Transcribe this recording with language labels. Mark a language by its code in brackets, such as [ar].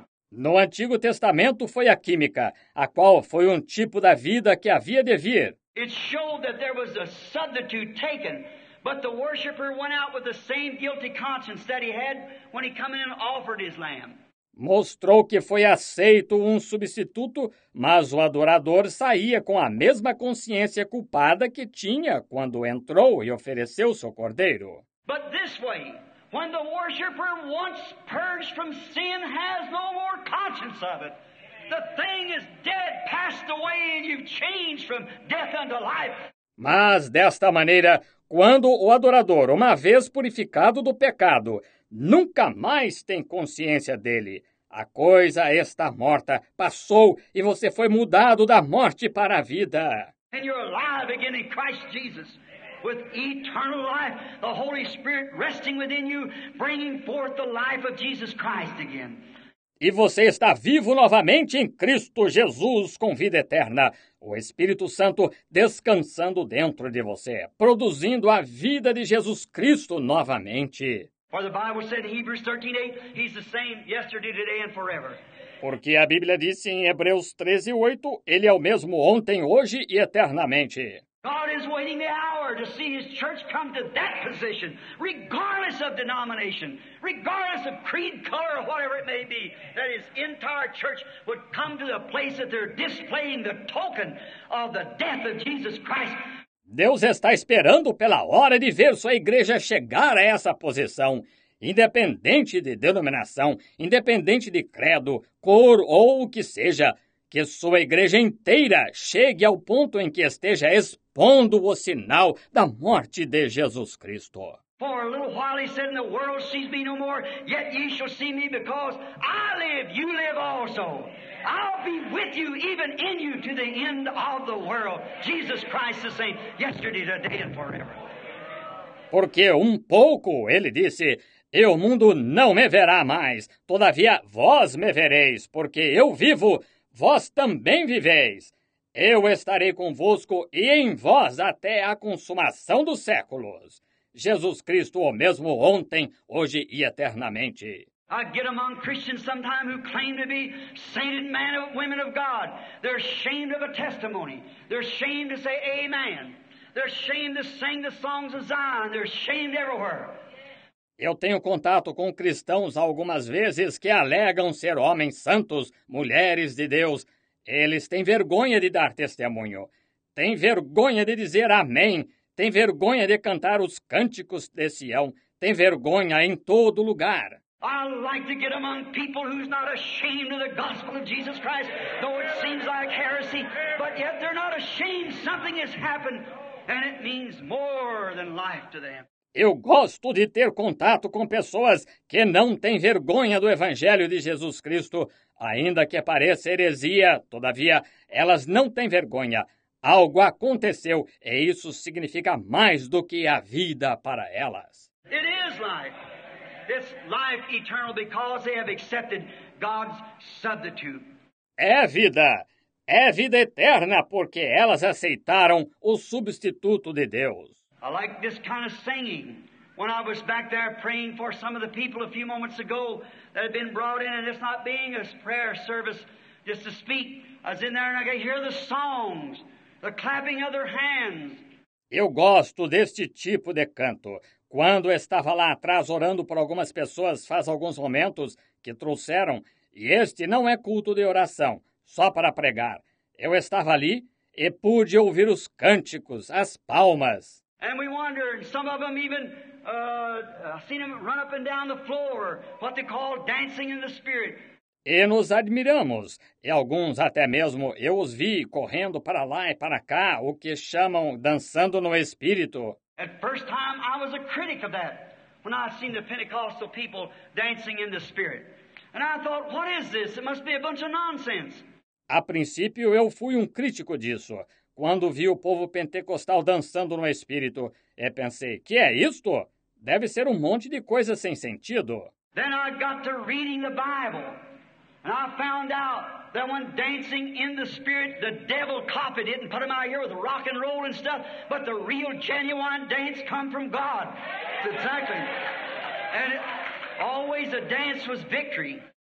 [pt] No Antigo Testamento foi a química, a qual foi um tipo da vida que havia de vir. [en] It showed that there was a substitute taken, but the worshiper went out with the same guilty conscience that he had when he came in and offered his lamb. [pt] Mostrou que foi aceito um substituto, mas o adorador saía com a mesma consciência culpada que tinha quando entrou e ofereceu seu cordeiro. [en] But this way, when the worshipper once purged from sin has no more conscience of it. The thing is dead, passed away, and you've changed from death unto life. [pt] Mas desta maneira, quando o adorador, uma vez purificado do pecado, nunca mais tem consciência dele. A coisa está morta, passou, e você foi mudado da morte para a vida. [en] And you're alive again in Christ Jesus, with eternal life, the Holy Spirit resting within you, bringing forth the life of Jesus Christ again. [pt] E você está vivo novamente em Cristo Jesus com vida eterna, o Espírito Santo descansando dentro de você, produzindo a vida de Jesus Cristo novamente. [en] For the Bible said in Hebrews 13:8, he's the same yesterday, today and forever. [pt] Porque a Bíblia disse em Hebreus 13:8, ele é o mesmo ontem, hoje e eternamente. [en] God is waiting the hour to see his church come to that position, regardless of denomination, regardless of creed, color, or whatever it may be, that his entire church would come to the place that they're displaying the token of the death of Jesus Christ. [pt] Deus está esperando pela hora de ver sua igreja chegar a essa posição, independente de denominação, independente de credo, cor ou o que seja, que sua igreja inteira chegue ao ponto em que esteja expondo o sinal da morte de Jesus Cristo. [en] For a little while, he said, and the world sees me no more, yet ye shall see me, because I live, you live also. I'll be with you, even in you, to the end of the world. Jesus Christ the same, yesterday, today, and forever. [pt] Porque pouco, ele disse, e o mundo não me verá mais. Todavia, vós me vereis, porque eu vivo, vós também viveis. Eu estarei convosco e em vós até a consumação dos séculos. Jesus Cristo, o mesmo ontem, hoje e eternamente. [en] I get among Christians sometimes who claim to be sainted men and women of God. They're ashamed of a testimony. They're ashamed to say amen. They're ashamed to sing the songs of Zion. They're ashamed everywhere. [pt] Eu tenho contato com cristãos algumas vezes que alegam ser homens santos, mulheres de Deus. Eles têm vergonha de dar testemunho. Têm vergonha de dizer amém. Tem vergonha de cantar os cânticos de Sião. Tem vergonha em todo lugar. [en] I like to get among people who's not ashamed of the gospel of Jesus Christ, though it seems like heresy, but yet they're not ashamed. Something has happened, and it means more than life to them. [pt] Eu gosto de ter contato com pessoas que não têm vergonha do Evangelho de Jesus Cristo, ainda que pareça heresia, todavia, elas não têm vergonha. Algo aconteceu, e isso significa mais do que a vida para elas. [en] It is life. It's life eternal because they have accepted God's substitute. [pt] É vida. É vida eterna porque elas aceitaram o substituto de Deus. [en] I like this kind of singing. When I was back there praying for some of the people a few moments ago that had been brought in, and it's not being a prayer service just to speak. I was in there and I could hear the songs. The clapping of their hands. [pt] Eu gosto deste tipo de canto. Quando estava lá atrás orando por algumas pessoas faz alguns momentos que trouxeram, e este não é culto de oração, só para pregar. Eu estava ali e pude ouvir os cânticos, as palmas. [en] And we wonder, some of them even, I've seen them run up and down the floor, what they call dancing in the spirit. [pt] E nos admiramos, e alguns até mesmo eu os vi correndo para lá e para cá, o que chamam dançando no Espírito. [en] At first time I was a critic of that, when I seen the Pentecostal people dancing in the Spirit. And I thought, what is this? It must be a bunch of nonsense. [pt] A princípio eu fui crítico disso, quando vi o povo pentecostal dançando no Espírito, e pensei, que é isto? Deve ser monte de coisa sem sentido. [en] Then I got to reading the Bible. And I found out that when dancing in the Spirit, the devil copied it and put him out here with rock and roll and stuff. But the real genuine dance come from God. That's exactly. And it, always a dance was victory.